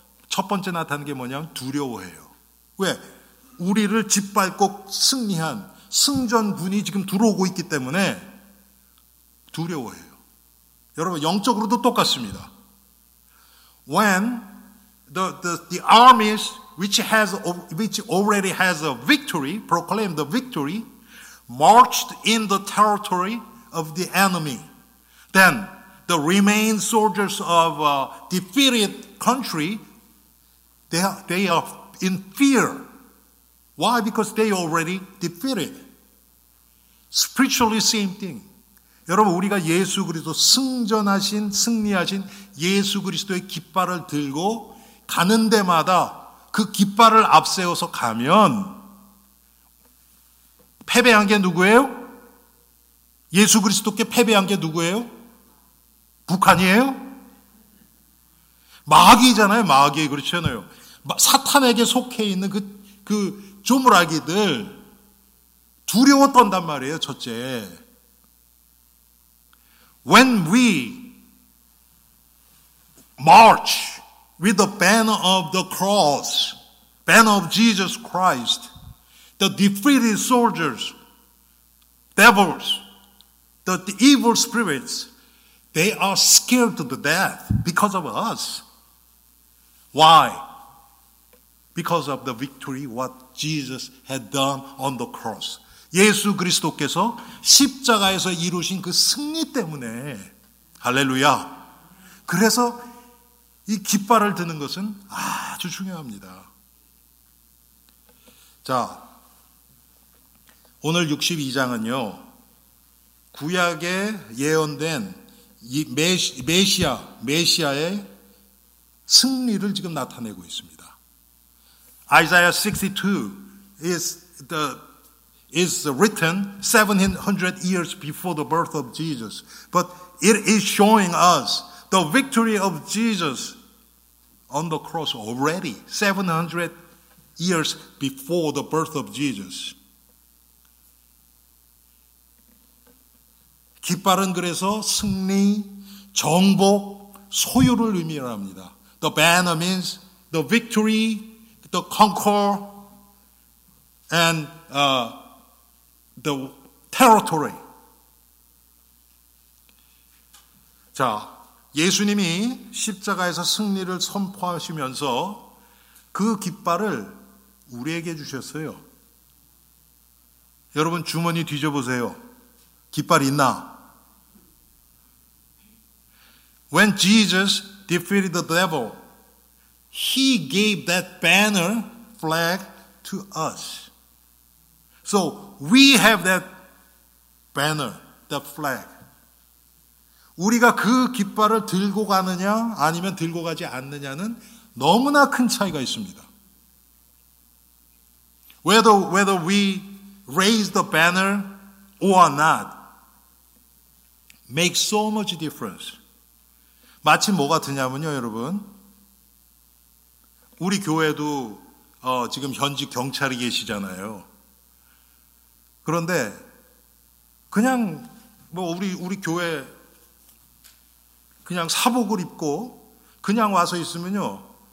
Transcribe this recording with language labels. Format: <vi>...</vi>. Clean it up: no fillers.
<ko>첫 번째 나타나는 게 뭐냐면 두려워해요. 왜? 우리를 짓밟고 승리한 승전군이 지금 들어오고 있기 때문에 두려워해요. 여러분 영적으로도 똑같습니다.</ko> <en>When the armies which already has a victory, proclaimed the victory, marched in the territory of the enemy, then the remaining soldiers of a defeated country, they are in fear. Why? Because they already defeated. Spiritually, same thing.</en> <ko>여러분, 우리가 예수 그리스도 승전하신, 승리하신 예수 그리스도의 깃발을 들고 가는 데마다 그 깃발을 앞세워서 가면 패배한 게 누구예요? 예수 그리스도께 패배한 게 누구예요? 북한이에요? 마귀잖아요, 마귀. 그렇잖아요. 사탄에게 속해 있는 그 조물아기들 두려워 떤단 말이에요, 첫째.</ko> <en>When we march with the banner of the cross, banner of Jesus Christ, the defeated soldiers, devils, the evil spirits, they are scared to death because of us. Why? Because of the victory, what Jesus had done on the cross.</en> <ko>예수 그리스도께서 십자가에서 이루신 그 승리 때문에, 할렐루야. 그래서 이 깃발을 드는 것은 아주 중요합니다. 자, 오늘 62장은요, 구약에 예언된 이 메시아의 승리를 지금 나타내고 있습니다.</ko> <en>Isaiah 62 is written 700 years before the birth of Jesus. But it is showing us the victory of Jesus on the cross already. 700 years before the birth of Jesus.</en> <ko>깃발은 그래서 승리, 정복, 소유를 의미합니다.</ko> <en>The banner means the victory, the conquer, and the territory.</en> <ko>자, 예수님이 십자가에서 승리를 선포하시면서 그 깃발을 우리에게 주셨어요. 여러분 주머니 뒤져보세요. 깃발 있나?</ko> <en>When Jesus defeated the devil, he gave that banner flag to us. So we have that banner, that flag.</en> <ko>우리가 그 깃발을 들고 가느냐 아니면 들고 가지 않느냐는 너무나 큰 차이가 있습니다.</ko> <en>Whether we raise the banner or not makes so much difference.</en> <ko>마치 뭐 같으냐면요, 여러분. 우리 교회도 지금 현직 경찰이 계시잖아요. 그런데 그냥 뭐 우리 교회 그냥 사복을 입고 그냥 와서 있으면요.</ko>